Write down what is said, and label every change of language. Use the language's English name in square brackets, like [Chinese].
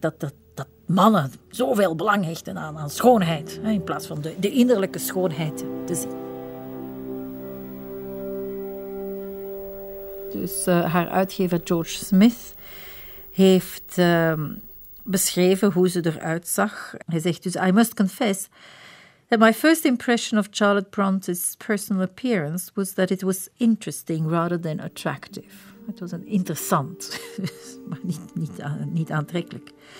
[Dutch] Dat mannen zoveel belang hechten aan schoonheid. Hè, in plaats van de innerlijke schoonheid te zien. Dus haar uitgever George Smith heeft beschreven hoe ze eruit zag. Hij zegt dus, [English] I must confess that my first impression of Charlotte Bronte's personal appearance was that it was interesting rather than attractive. [Dutch] Het was interessant, maar niet aantrekkelijk.